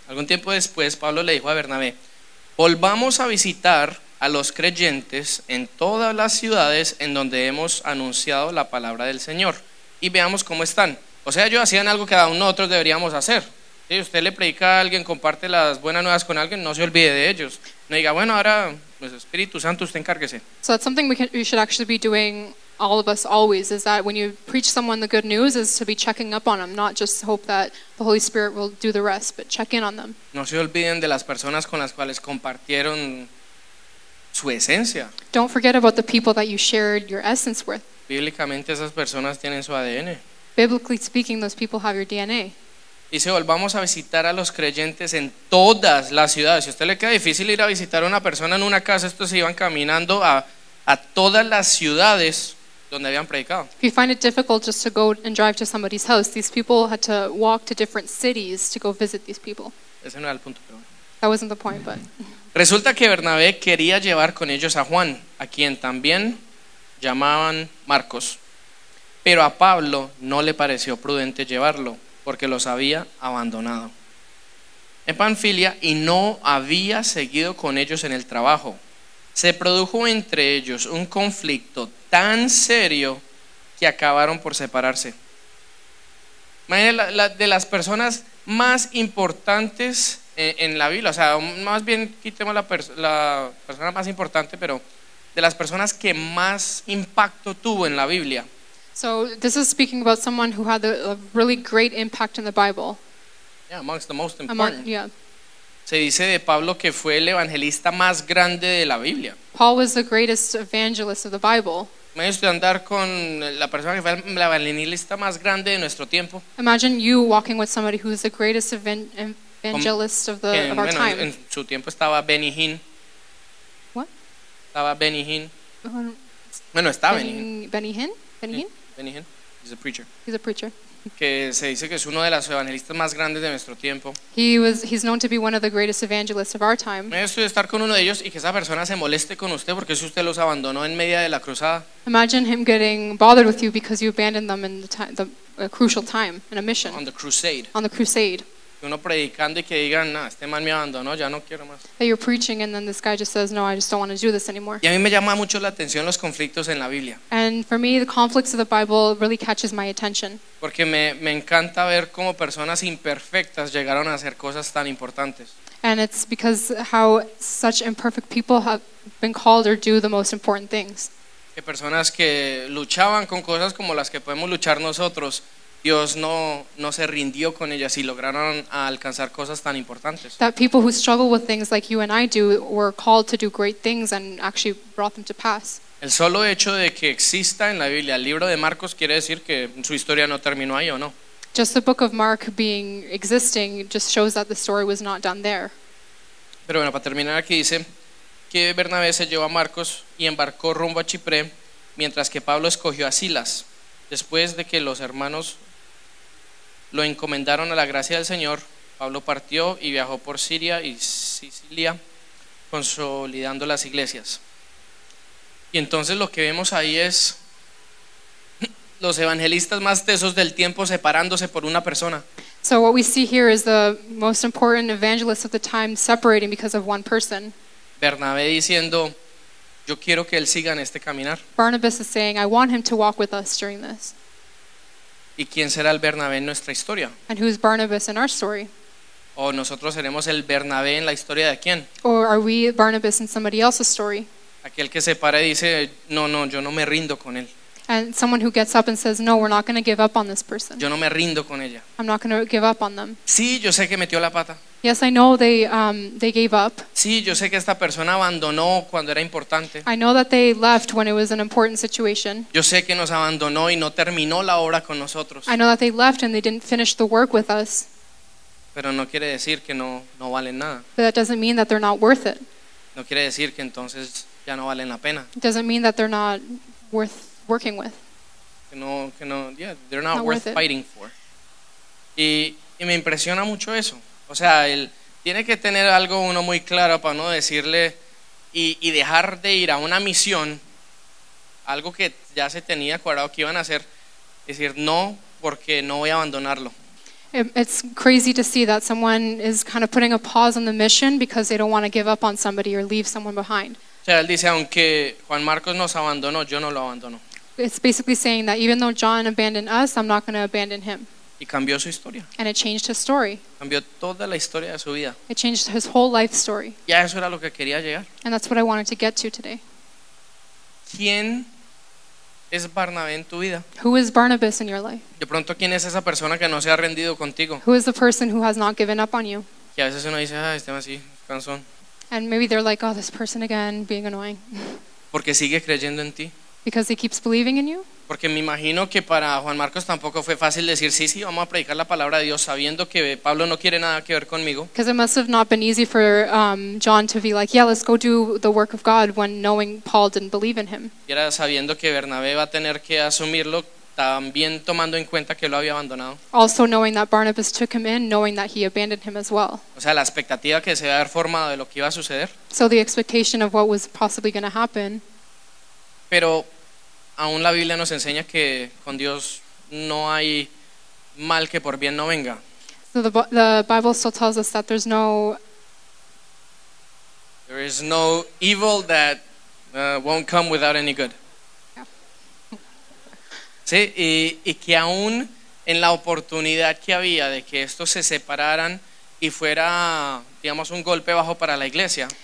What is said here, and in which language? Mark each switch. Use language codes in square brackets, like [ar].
[es] Algún tiempo después, Pablo le dijo a Bernabé, volvamos a visitar a los creyentes en todas las ciudades en donde hemos anunciado la palabra del Señor y veamos cómo están. O sea, ellos hacían algo que aún nosotros deberíamos hacer. Si usted le predica a alguien, comparte las buenas nuevas con alguien, no se olvide de ellos. No diga, bueno, ahora, pues Espíritu Santo, usted encárguese. [en] So that's something we should actually be doing, all of us always, is that when you preach someone the good news, is to be checking up on them, not just hope that the Holy Spirit will do the rest, but check in on them. [es] No se olviden de las personas con las cuales compartieron su esencia. [en] Don't forget about the people that you shared your essence with. [es] Bíblicamente esas personas tienen su ADN. [en] Biblically speaking, those people have your DNA. [es] Dice, volvamos a visitar a los creyentes en todas las ciudades. Si a usted le queda difícil ir a visitar a una persona en una casa, estos se iban caminando a todas las ciudades donde habían predicado. [en] If you find it difficult just to go and drive to somebody's house, these people had to walk to different cities to go visit these people. [es] Ese no era el punto, pero... [en] That wasn't the point, but... [es] Resulta que Bernabé quería llevar con ellos a Juan, a quien también llamaban Marcos. Pero a Pablo no le pareció prudente llevarlo, porque los había abandonado en Panfilia y no había seguido con ellos en el trabajo. Se produjo entre ellos un conflicto tan serio que acabaron por separarse. Imagínense, de las personas más importantes en la Biblia, o sea, más bien quitemos la persona más importante, pero de las personas que más impacto tuvo en la Biblia. [en] So this is speaking about someone who had a really great impact in the Bible. Yeah, amongst the most important. Yeah. [es] Se dice de Pablo que fue el evangelista más grande de la Biblia. [en] Paul was the greatest evangelist of the Bible. [es] Imagínate andar con la persona que fue el evangelista más grande de nuestro tiempo. [en] Imagine you walking with somebody who is the greatest evangelist of the of our [es] bueno, [en] time. [es] En su tiempo estaba Benny Hinn. [en] What? [es] Estaba Benny Hinn. Bueno, estaba Benny Hinn. [en] Benny Hinn. He's a preacher. He's a preacher. [es] Que se dice que es uno de los evangelistas más grandes de nuestro tiempo. [en] He's known to be one of the greatest evangelists of our time. [es] Me gustaría estar con uno de ellos y que esa persona se moleste con usted porque si usted los abandonó en medio de la cruzada. [en] Imagine him getting bothered with you because you abandoned them in the crucial time in a mission. On the crusade. [es] Uno predicando y que digan, no, este man me abandonó, ya no quiero más. [en] That you're preaching and then this guy just says, no, I just don't want to do this anymore. [es] Y a mí me llama mucho la atención los conflictos en la Biblia. [en] And for me, the conflicts of the Bible really catches my attention. [es] Porque me encanta ver cómo personas imperfectas llegaron a hacer cosas tan importantes. [en] And it's because how such imperfect people have been called or do the most important things. [es] Que personas que luchaban con cosas como las que podemos luchar nosotros, Dios no se rindió con ellas y lograron alcanzar cosas tan importantes. [en] That people who struggle with things like you and I do were called to do great things and actually brought them to pass. [es] El solo hecho de que exista en la Biblia el libro de Marcos quiere decir que su historia no terminó ahí, ¿o no? [en] Just the book of Mark being existing just shows that the story was not done there. [es] Pero bueno, para terminar aquí dice que Bernabé se llevó a Marcos y embarcó rumbo a Chipre, mientras que Pablo escogió a Silas. Después de que los hermanos lo encomendaron a la gracia del Señor, Pablo partió y viajó por Siria y Sicilia, consolidando las iglesias. Y entonces lo que vemos ahí es los evangelistas más tesos del tiempo separándose por una persona. [en] So what we see here is the most important evangelists of the time separating because of one person. [es] Bernabé diciendo, yo quiero que él siga en este caminar. [en] Barnabas is saying, I want him to walk with us during this. [es] ¿Y quién será el Bernabé en nuestra historia? [en] And who's Barnabas in our story? [es] ¿O nosotros seremos el Bernabé en la historia de quién? [en] Or are we Barnabas in somebody else's story? [es] Aquel que se para y dice, no, yo no me rindo con él. [en] And someone who gets up and says, no, we're not going to give up on this person. [es] Yo no me rindo con ella. [en] I'm not going to give up on them. [es] Sí, yo sé que metió la pata. [en] Yes, I know they gave up. [es] Sí, yo sé que esta persona abandonó cuando era importante. [en] I know that they left when it was an important situation. [es] Yo sé que nos abandonó y no terminó la obra con nosotros. [en] I know that they left and they didn't finish the work with us. [es] Pero no quiere decir que no valen nada. [en] But that doesn't mean that they're not worth it. [es] No quiere decir que entonces ya no valen la pena. [en] It doesn't mean that they're not worth working with. [es] Que no, [en] yeah, they're not worth it. Fighting for. [es] Y me impresiona mucho eso. O sea, él tiene que tener algo uno muy claro para no decirle y dejar de ir a una misión, algo que ya se tenía cuadrado que iban a hacer, decir no porque no voy a abandonarlo. [en] It's crazy to see that someone is kind of putting a pause on the mission because they don't want to give up on somebody or leave someone behind. [es] O sea, él dice, aunque Juan Marcos nos abandonó, yo no lo abandono. [en] It's basically saying that even though John abandoned us, I'm not going to abandon him. [es] Y cambió su historia. [en] And it changed his story. [es] Cambió toda la historia de su vida. [en] It changed his whole life story. [es] Y a eso era lo que quería llegar. [en] And that's what I wanted to get to today. [es] ¿Quién es Barnabé en tu vida? [en] Who is Barnabas in your life? [es] De pronto, ¿quién es esa persona que no se ha rendido contigo? [en] Who is the person who has not given up on you? [es] Y a veces uno dice, ah, este más así, cansón. [en] And maybe they're like, oh, this person again, being annoying. [es] Porque sigue creyendo en ti. [en] Because he keeps believing in you? [es] Porque me imagino que para Juan Marcos tampoco fue fácil decir sí, sí, vamos a predicar la palabra de Dios, sabiendo que Pablo no quiere nada que ver conmigo. [en] Because it must have not been easy for John to be like, yeah, let's go do the work of God, when knowing Paul didn't believe in him. [es] Y era sabiendo que Bernabé va a tener que asumirlo, también tomando en cuenta que lo había abandonado. [en] Also knowing that Barnabas took him in, knowing that he abandoned him as well. [es] O sea, la expectativa que se había formado de lo que iba a suceder. [en] So the expectation of what was possibly going to happen. [es] Pero aún la Biblia nos enseña que con Dios no hay mal que por bien no venga. [en] So the Bible still tells us that there's no... There is no evil that won't come without any good. [es] Sí, y que aún en la oportunidad que había de que estos se separaran y fuera, digamos, un golpe bajo para la iglesia.